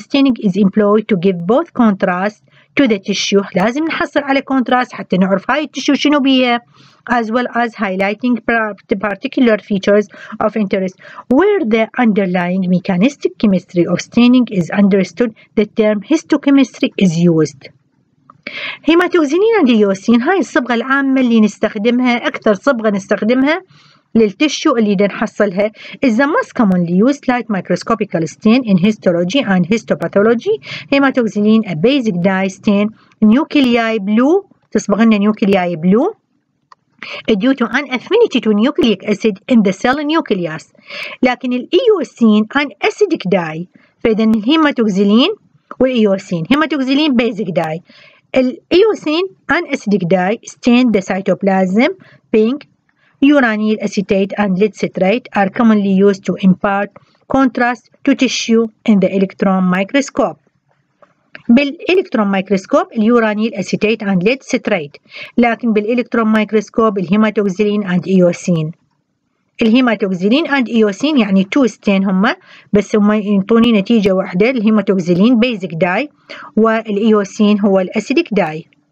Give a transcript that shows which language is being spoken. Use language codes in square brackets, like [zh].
[en] Staining is employed to give both contrast to the tissue. [ar] لازم نحصل على contrast حتى نعرف هاي التشو شنو بيها. [en] As well as highlighting particular features of interest. Where the underlying mechanistic chemistry of staining is understood, the term histochemistry is used. [ar] هيماتوكسينين اند ايوسين هاي الصبغة العامة اللي نستخدمها أكثر صبغة نستخدمها للتشو اللي نحصلها. [en] Is the most commonly used light microscopical stain in histology and histopathology. Haematoxylin a basic dye stain. Nuclei blue [ar] تصبغ لنا [en] nuclei blue. Due to an affinity to nucleic acid in the cell nucleus. [ar] لكن [en] الايوسين an acidic dye. [ar] فإذا الهيماتوكسيلين والايوسين. هيماتوكسيلين basic dye. [en] الايوسين an acidic dye stain the cytoplasm pink. Uranyl acetate and lead citrate are commonly used to impart contrast to tissue in the electron microscope. [ar] بالالكترون مايكروسكوب اليورانيل اسيتيت اند ليد سيترات، لكن بالالكترون مايكروسكوب الهيماتوكسيلين اند ايوسين. الهيماتوكسيلين اند ايوسين يعني تو ستين هما، بس هما ينطوني نتيجه واحده، الهيماتوكسيلين بيزك داي والايوسين هو الاسيديك داي.